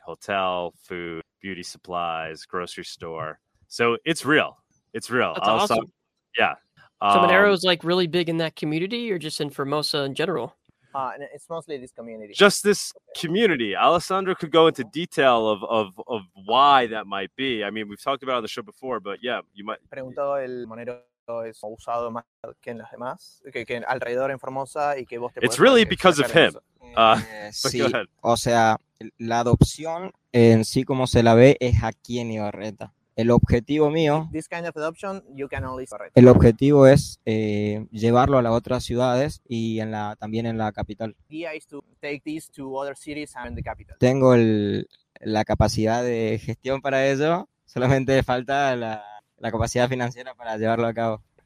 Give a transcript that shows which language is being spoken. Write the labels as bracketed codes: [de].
[en] Hotel, food, beauty supplies, grocery store. So it's real. It's real. That's awesome. Yeah. So Monero is like really big in that community or just in Formosa in general? It's mostly this community. Just this community. Alessandro could go into detail of why that might be. I mean, we've talked about it on the show before, but yeah, you might. [es] Preguntó el Monero es usado más que en las demás, que alrededor en Formosa y que vos te. [en] It's really because of him. [es] Sí. O sea, la adopción en sí como se la ve es aquí en Ibarreta. El objetivo mío. [en] This kind of adoption, you can only. [es] El objetivo es llevarlo a las otras ciudades y en la también en la capital. [en] The idea is to take this to other cities and the capital. [es] Tengo la capacidad de gestión para ello. Solamente falta la capacidad financiera para llevarlo a cabo.